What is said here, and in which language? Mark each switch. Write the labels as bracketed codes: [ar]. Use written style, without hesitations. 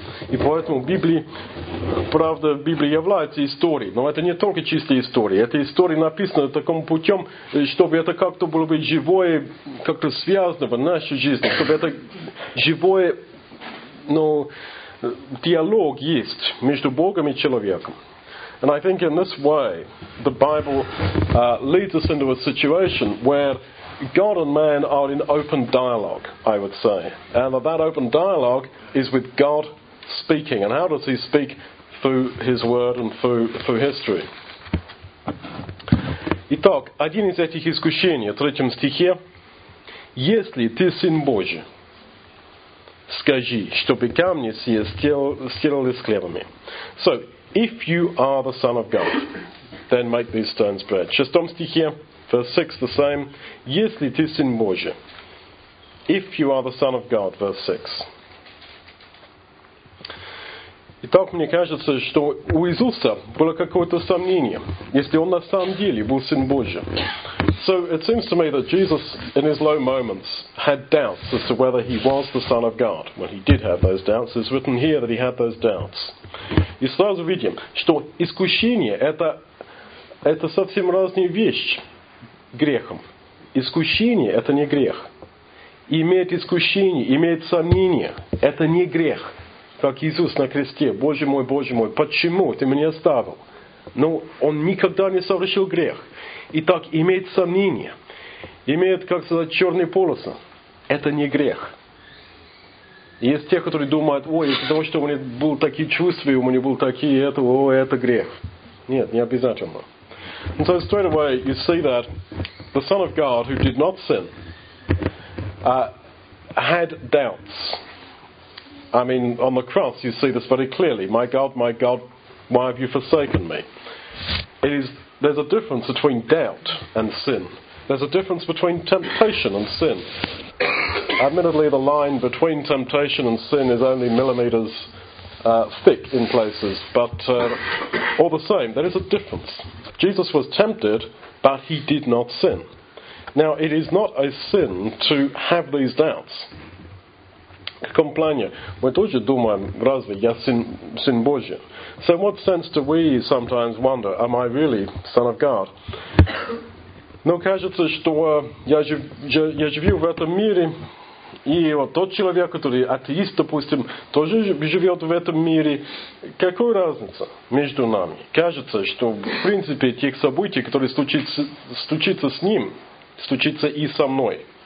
[ru] И поэтому правда, Библия является историей. Но это не только чистая история. Эта история написана таким путем, чтобы это как-то было бы живое, как-то связано в нашей жизни, чтобы это живое, диалог есть между Богом и человеком. [en] And I think in this way, the Bible leads us into a situation where God and man are in open dialogue, I would say. And that open dialogue is with God speaking. And how does he speak? Through his word and through history. [ru] Итак, один из этих искушений, в третьем стихе, если ты сын Божий, скажи, чтобы камни сие сделали склепами. [en] So, if you are the Son of God, then make these stones bread. [ru] В шестом стихе, [en] verse 6, the same. [ru] Если ты Сын Божий. [en] If you are the Son of God, verse 6. [ru] Итак, мне кажется, что у Иисуса было какое-то сомнение, если он на самом деле был Сын Божий. [en] So it seems to me that Jesus, in his low moments, had doubts as to whether he was the Son of God. Well, he did have those doubts. It's written here that he had those doubts. [ru] И сразу видим, что искушение – это совсем разная вещь грехом. Искушение – это не грех. Иметь искушение, иметь сомнение – это не грех. Как Иисус на кресте. Боже мой, почему ты меня оставил? Но он никогда не совершил грех. И так имеет сомнение, имеет, как сказать, черные полосы. Это не грех. Есть те, которые думают, ой, из-за того, что у меня были такие чувства, и у меня были такие, это, о, это грех. Нет, не обязательно. [en] And so straight away you see that the Son of God, who did not sin, had doubts. I mean, on the cross you see this very clearly. My God, why have you forsaken me? There's a difference between doubt and sin. There's a difference between temptation and sin. Admittedly, the line between temptation and sin is only millimeters thick in places, but all the same, there is a difference. Jesus was tempted, but he did not sin. Now, it is not a sin to have these doubts. [ru] Каком плане? Мы тоже думаем, разве я Сын Божий? [en] So what sense do we sometimes wonder, am I really Son of God? [ru] Но кажется, что я живу в этом мире, и вот тот человек, который атеист, допустим, тоже живет в этом мире. Какая разница между нами? Кажется, что в принципе тех событий, которые случится с ним, случится и со мной.